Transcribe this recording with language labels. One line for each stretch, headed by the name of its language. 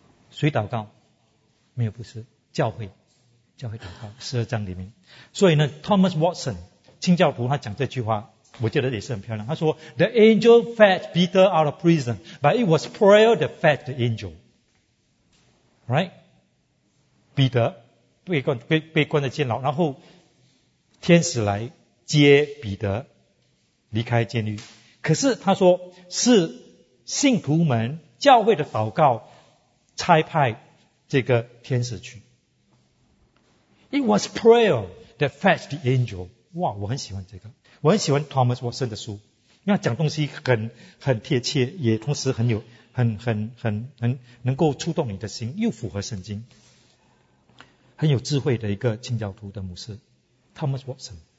Chinese: 谁祷告？没有，不是教会，教会祷告十二章里面。所以呢 ，Thomas Watson 清教徒他讲这句话，我觉得也是很漂亮。他说 ：“
English: The angel fetched Peter out of prison, but it was prayer that fed the angel.” Right?
Chinese: 彼得被关在监牢，然后天使来接彼得离开监狱。可是他说是信徒们教会的祷告。差派这个天使去。
English: It was prayer that fetched the angel.
Chinese: 哇，我很喜欢这个，我很喜欢 Thomas Watson 的书，因为他讲东西很贴切，也同时很有很能够触动你的心，又符合圣经，很有智慧的一个清教徒的牧师 Thomas Watson.